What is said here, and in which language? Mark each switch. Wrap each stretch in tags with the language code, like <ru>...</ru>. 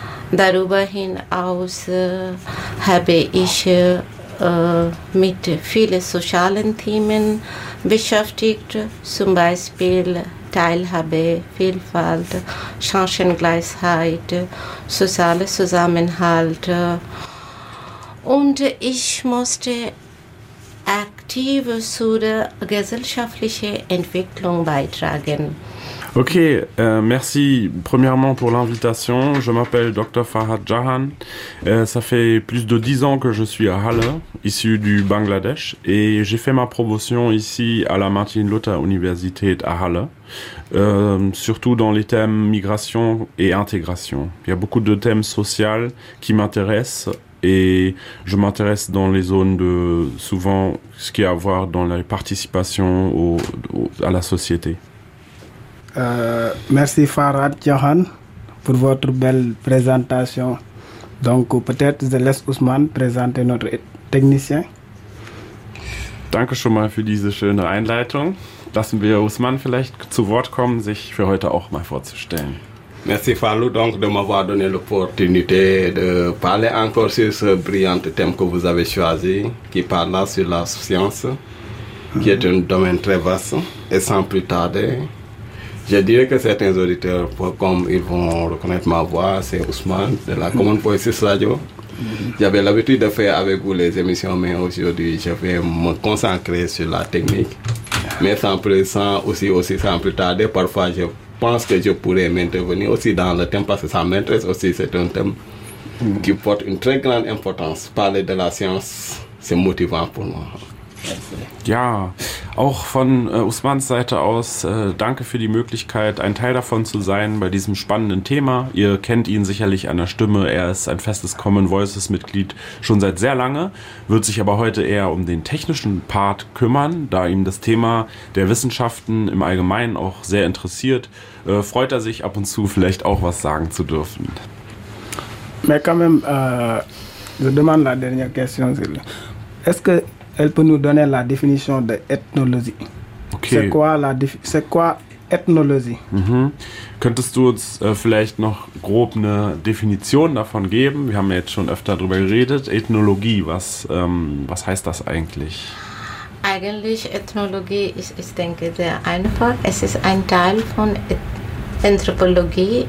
<de>Darüber hinaus habe ich mit vielen sozialen Themen beschäftigt, zum Beispiel Teilhabe, Vielfalt, Chancengleichheit, sozialer Zusammenhalt. Und ich musste aktiv zur gesellschaftlichen Entwicklung beitragen.</de> <fr>Okay, merci premièrement pour l'invitation. Je m'appelle Dr. Farad Jahan. Ça fait plus de 10 ans que je suis à Halle, issu du Bangladesh. Et j'ai fait ma promotion ici à la Martin Luther Universität à Halle. Surtout dans les thèmes migration et intégration. Il y a beaucoup de thèmes sociaux qui m'intéressent. Et je m'intéresse dans les zones de souvent ce qui a à voir dans la participation à la société. Merci Farad Jahan pour votre belle présentation. Donc peut-être je laisse Ousmane présenter notre technicien.</fr> <de>Danke schon mal für diese schöne Einleitung. Lassen wir Ousmane vielleicht zu Wort kommen, sich für heute auch mal vorzustellen.</de> <fr>Merci Falou donc de m'avoir donné l'opportunité de parler encore sur ce brillant thème que vous avez choisi, qui parle sur la science, qui est un domaine très vaste. Et sans plus tarder, je dirais que certains auditeurs, comme ils vont reconnaître ma voix, c'est Ousmane de la Common Voices Radio. J'avais l'habitude de faire avec vous les émissions, mais aujourd'hui je vais me concentrer sur la technique. Mais sans plus tarder, parfois je pense que je pourrais m'intervenir aussi dans le thème, parce que ça m'intéresse aussi, c'est un thème qui porte une très grande importance. Parler de la science, c'est motivant pour moi.</fr> <de>Ja, auch von Ousmans Seite aus, danke für die Möglichkeit, ein Teil davon zu sein bei diesem spannenden Thema. Ihr kennt ihn sicherlich an der Stimme, er ist ein festes Common Voices Mitglied schon seit sehr lange, wird sich aber heute eher um den technischen Part kümmern, da ihm das Thema der Wissenschaften im Allgemeinen auch sehr interessiert, freut er sich ab und zu vielleicht auch was sagen zu dürfen.</de> <fr>Mais quand même, je demande la dernière question, est-ce que elle peut nous donner la définition de ethnologie. Okay. C'est quoi Ethnologie? Mhm.</fr> <de>Könntest du uns vielleicht noch grob eine Definition davon geben? Wir haben ja jetzt schon öfter darüber geredet. Ethnologie, was heißt das eigentlich? Eigentlich Ethnologie ist, ich denke, sehr einfach. Es ist ein Teil von Anthropologie.</de>